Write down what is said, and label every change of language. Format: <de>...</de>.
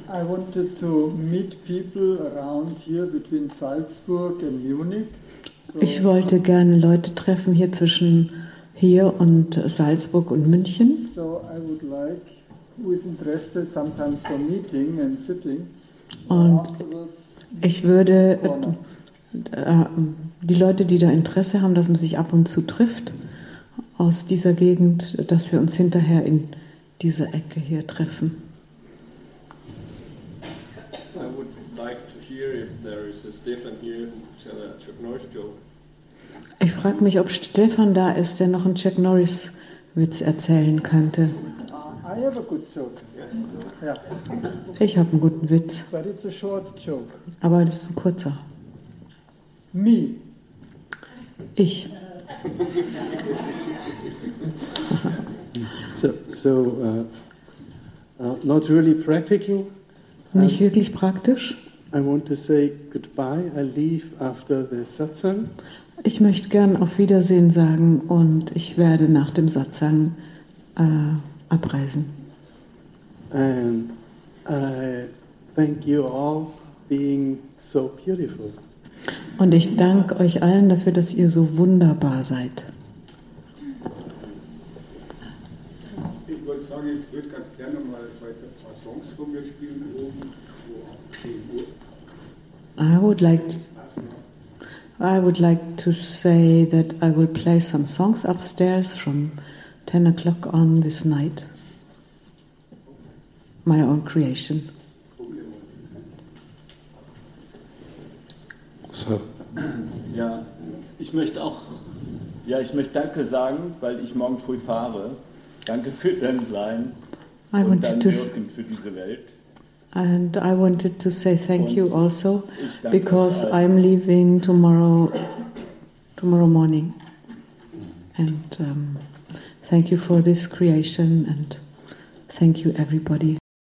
<en>I wanted to meet people around here between Salzburg and Munich.</en> <de>Ich wollte gerne Leute treffen hier zwischen hier und Salzburg und München.</de> <en>So I would like, who is interested sometimes for meeting and sitting.</en> <de>Und ich würde die Leute, die da Interesse haben, dass man sich ab und zu trifft aus dieser Gegend, dass wir uns hinterher in dieser Ecke hier treffen.</de> <en>I would like to hear if there is a Stefan here who tell a Chuck Norris joke.</en> <de>Ich frage mich, ob Stefan da ist, der noch einen Chuck Norris Witz erzählen könnte.</de> <en>I have a good joke.</en> <de>Yeah. Ich habe einen guten Witz.</de> <en>But it's a short joke.</en> <de>Aber das ist ein kurzer.</de> <en>Me.</en> <de>Ich.</de> <en>So, not really practical.</en> <de>Nicht wirklich praktisch.</de> <en>I want to say goodbye. I leave after the satsang.</en> <de>Ich möchte gern auf Wiedersehen sagen und ich werde nach dem Satsang abreisen.</de> <en>And I thank you all being so beautiful.</en> <de>Und ich danke euch allen dafür, dass ihr so wunderbar seid. Ich wollte sagen, ich würde ganz gerne mal weiter ein paar Songs von mir spielen, oben, so ab 10 Uhr.</de> <en>I would like to say that I will play some songs upstairs from 10 o'clock on this night. My own creation. So.</en> <de>Ich möchte Danke sagen, weil ich morgen früh fahre. Danke für dein Sein und dein Wirken für diese Welt.</de> <en>And I wanted to say thank you also, because I'm leaving tomorrow morning. And thank you for this creation and thank you everybody.</en>